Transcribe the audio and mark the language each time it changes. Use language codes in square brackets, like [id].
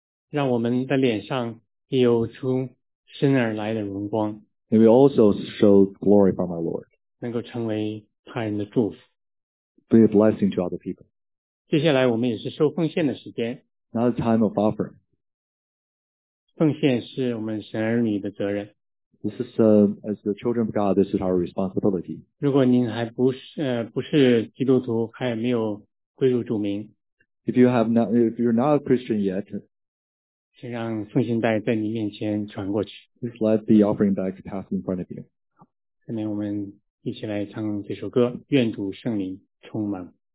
[zh] 让我们的脸上也有出身而来的荣光。 [en] May we also show glory from our Lord. [zh] 能够成为他人的祝福。 [en] Be a blessing to other people. [zh] 接下来我们也是收奉献的时间。 [en] Now it's time of offering. [zh] 奉献是我们神儿女的责任。 [en] This is, as the children of God, this is our responsibility. [zh] 如果您还不是基督徒，还没有归入主名。 [en] If you're not a Christian yet, [zh] 请让奉献袋在你面前传过去。 [en] Please let the offering bag pass in front of you. [zh] 下面我们一起来唱这首歌，愿主圣灵充满。